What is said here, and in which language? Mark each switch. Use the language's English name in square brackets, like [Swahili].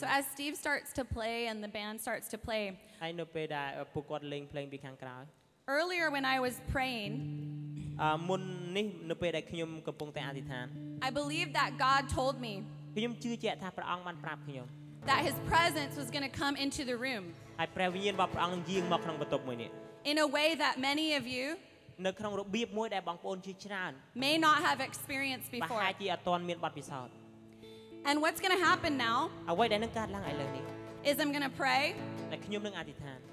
[English] So as Steve starts to play and the band starts to play. I know [Khmer] ពេលដែលពួកគាត់លេងភ្លេងពីខាងក្រោយ [English] Earlier when I was praying. [Khmer] មុននេះនៅពេលដែលខ្ញុំកំពុងតែអធិដ្ឋាន [English] I believe that God told me. [Khmer] ខ្ញុំជឿជាក់ថាព្រះអង្គបានប្រាប់ខ្ញុំ [English] That his presence was going to come into the room. [Khmer] ហើយព្រះវិញ្ញាណរបស់ព្រះអង្គយាងមកក្នុងបន្ទប់មួយនេះ [English] In a way that many of you [Khmer] នៅក្នុងរបៀបមួយដែលបងប្អូនជឿច្រើន [English] May not have experienced before. [Khmer] បើហាក់ជាអត់ទាន់មានបទពិសោធន៍ [English] And what's going to happen now? [Khmer] អ្វីដែលនឹងកើតឡើងឥឡូវនេះ [English] Is I'm going to pray. [Khmer] ហើយខ្ញុំនឹងអធិដ្ឋាន